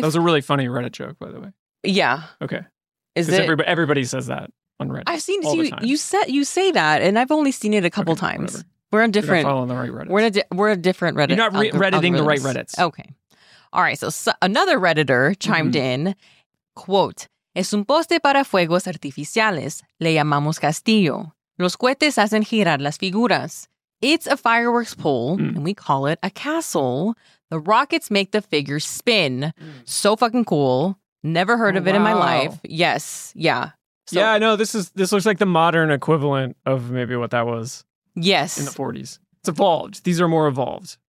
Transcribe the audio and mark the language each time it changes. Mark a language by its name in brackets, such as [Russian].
[English] That was a really funny Reddit joke, by the way. Yeah. Okay. Is it? Everybody says that on Reddit. I've seen you say that, and I've only seen it a couple times. Whatever. We're on different. You're following the right Reddit. We're a different Reddit. You're not Redditing the right Reddits. Okay. All right. So another Redditor chimed in. [Spanish] Quote: Es un poste para fuegos artificiales. Le llamamos castillo. Los cohetes hacen girar las figuras. [English] It's a fireworks pole, and we call it a castle. The rockets make the figures spin. Mm. So fucking cool. Never heard of it in my life. Yes. Yeah. So, yeah, I know. This looks like the modern equivalent of maybe what that was. Yes. In the 40s. It's evolved. These are more evolved.